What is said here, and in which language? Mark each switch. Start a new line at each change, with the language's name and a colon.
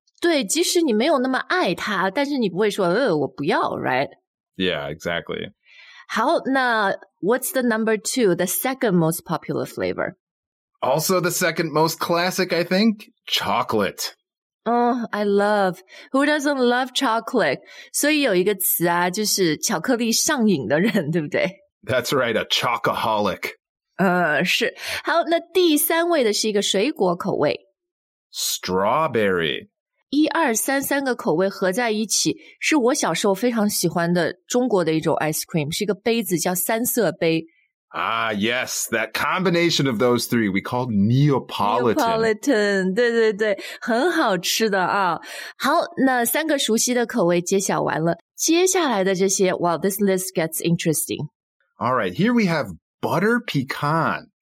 Chinese: 对,即使你没有那么爱它,但是你不会说,我不要, right?
English: Yeah, exactly. 好,那 what's the number two, the second most popular flavor? Also the second most classic, I think, chocolate. Oh, I love, who doesn't love chocolate?
Chinese: 所以有一个词啊，就是巧克力上瘾的人，对不对？
English: That's right, a chocoholic.
Chinese: 是。好，那第三位的是一个水果口味。
English: Strawberry.
Chinese: 一二三三个口味合在一起，是我小时候非常喜欢的中国的一种 ice cream, 是一个杯子叫三色杯。
English: Ah, yes, that combination of those three we call Neapolitan.
Chinese: Neapolitan, 对对对，很好吃的啊。好，那三个熟悉的口味揭晓完了，接下来的这些 ，
English: Well, this list gets interesting. All right, here we have butter pecan